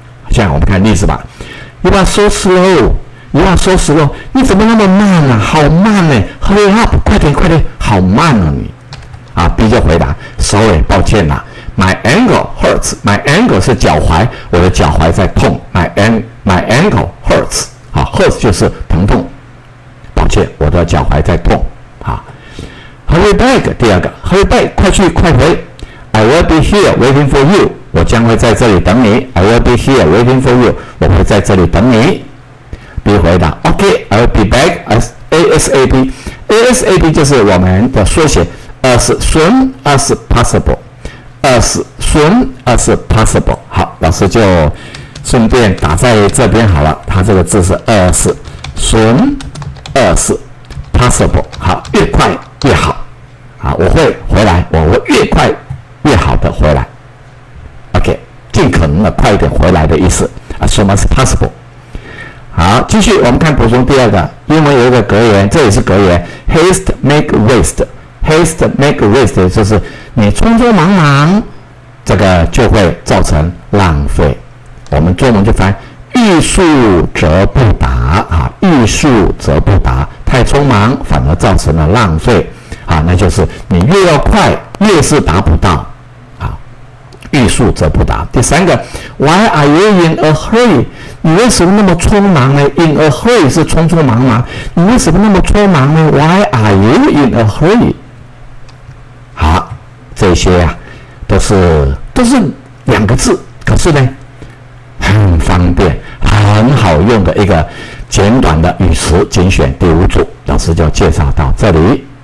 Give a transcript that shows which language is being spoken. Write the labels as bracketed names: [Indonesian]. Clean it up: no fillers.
[Chinese] 现在我们看例子吧， [English] You are so slow， [Chinese] You are so slow， 你怎么那么慢啊，好慢呢， [English] Hurry up， [Chinese] 快点快点，好慢啊你。啊， B 就回答 Sorry， 抱歉啦， [English] My ankle hurts， My ankle [Chinese] 是脚踝，我的脚踝在痛， My ankle hurts， 啊， hurts 就是疼痛，我的脚踝在痛。 [English] Hurry back， [Chinese] 第二个 Hurry back， 快去快回， [English] I will be here waiting for you， [Chinese] 我将会在这里等你， I will be here waiting for you， 我会在这里等你。 B 回答 [English] OK， I'll be back ASAP， [Chinese] ASAP 就是我们的缩写， [English] As soon as possible， [Chinese] As soon as possible。好，老师就顺便打在这边好了，他这个字是 [English] As soonas possible， [Chinese] 好，越快越好，好，我会回来，我会越快越好的回来， OK， 尽可能的快一点回来的意思， [English] as soon as possible。 [Chinese] 好，继续我们看补充第二个，英文有一个格言，这也是格言， [English] haste make waste， [Chinese] haste make waste 就是你匆匆忙忙，这个就会造成浪费，我们中文就翻欲速则不达，啊，欲速则不达，太匆忙反而造成了浪费，啊，那就是你越要快越是达不到，啊，欲速则不达。第三个 [English] Why are you in a hurry， [Chinese] 你为什么那么匆忙呢， [English] in a hurry [Chinese] 是匆匆忙忙，你为什么那么匆忙呢， Why are you in a hurry。好，这些啊都是两个字，可是呢很方便很好用的一个简短的语词精选，第五组老师就介绍到这里。